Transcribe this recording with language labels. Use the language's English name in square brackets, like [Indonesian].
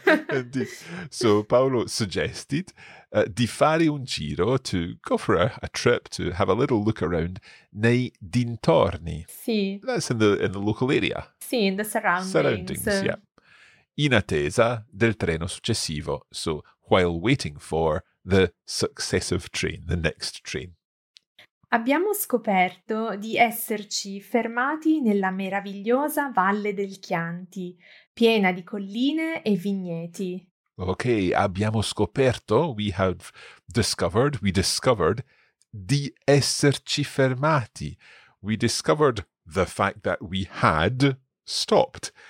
[English] Indeed. So Paolo suggested [Italian] di fare un giro, [English] to go for a trip, to have a little look around, [Italian] nei dintorni. Sì. [English] That's in the local area. [Italian] Sì, [English] in the surroundings. Yeah. [Italian] In attesa del treno successivo. [English] So while waiting for the successive train, the next train. [Italian] Abbiamo scoperto di esserci fermati nella meravigliosa Valle del Chianti, piena di colline e vigneti. Ok, abbiamo scoperto, [English] we discovered [Italian] di esserci fermati. [English] We discovered the fact that we had stopped.